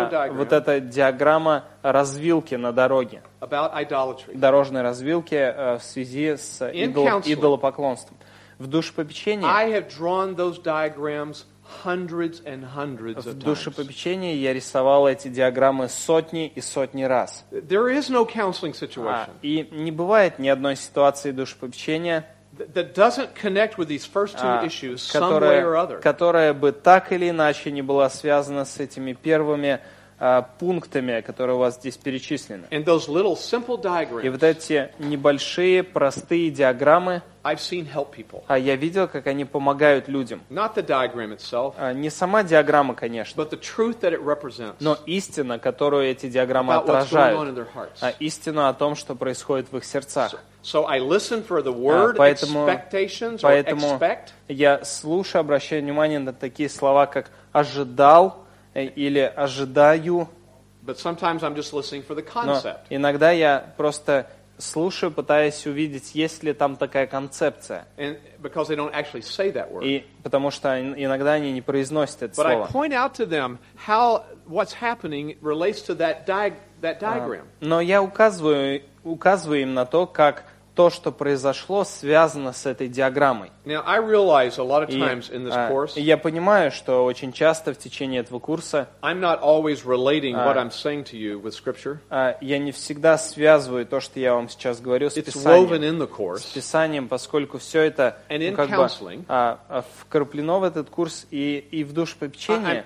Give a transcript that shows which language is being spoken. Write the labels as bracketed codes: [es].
[ru] Вот эта диаграмма развилки на дороге, дорожной развилки в связи с идолопоклонством. В душепопечении я взял эти диаграммы [en] hundreds and hundreds of times. [ru] В душепопечении я рисовал эти диаграммы сотни и сотни раз. [en] There is no counseling situation. [ru] И не бывает ни одной ситуации душепопечения, [en] that doesn't connect with these first two issues some way or other. [ru] Которая бы так или иначе не была связана с этими первыми пунктами, которые у вас здесь перечислены. [en] And those little simple diagrams, [ru] и вот эти небольшие, простые диаграммы, [en] I've seen help people. [ru] Я видел, как они помогают людям. [en] Not the diagram itself, [ru] не сама диаграмма, конечно, [en] but the truth that it represents, [ru] но истина, которую эти диаграммы [en] about [ru] отражают, [en] what's going on in their hearts. [ru] Истина о том, что происходит в их сердцах. [en] So I listen for the word expectations or expect. [ru] Я слушаю, обращаю внимание на такие слова, как ожидал или ожидаю. [en] But sometimes I'm just listening for the concept. [ru] Но иногда я просто слушаю, пытаясь увидеть, есть ли там такая концепция. [en] And because they don't actually say that word. [ru] И потому что иногда они не произносят это слово. [en] But I point out to them how what's happening relates to that diagram. [ru] Но я указываю им на то, как то, что произошло, связано с этой диаграммой. [en] Now, I realize a lot of times in this course, [ru] я понимаю, что очень часто в течение этого курса [en] I'm not always relating what I'm saying to you with scripture. [ru] Я не всегда связываю то, что я вам сейчас говорю, с [en] It's woven in the course, [ru] с Писанием, поскольку все это [en] and in [ru] как [en] counseling, [ru] бы вкраплено в этот курс и в душепопечение.